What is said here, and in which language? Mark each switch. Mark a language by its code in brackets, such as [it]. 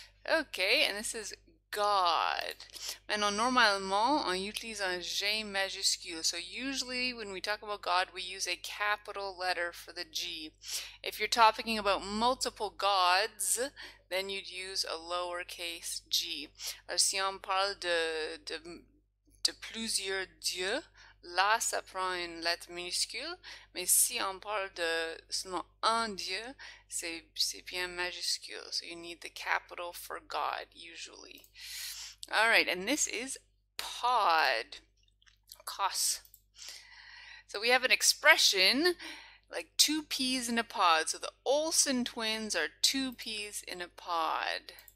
[en] Okay, and this is god. [fr] Maintenant, normalement, on utilise un G majuscule. [en] So usually when we talk about god, we use a capital letter for the G. If you're talking about multiple gods, then you'd use a lowercase g. [fr] Alors, si on parle de plusieurs dieux, là ça prend une lettre minuscule, mais si on parle de seulement un dieu, c'est bien majuscule. [en] So you need the capital for God, usually. All right, and this is pod, cos. So we have an expression like two peas in a pod. So the Olsen twins are two peas in a pod.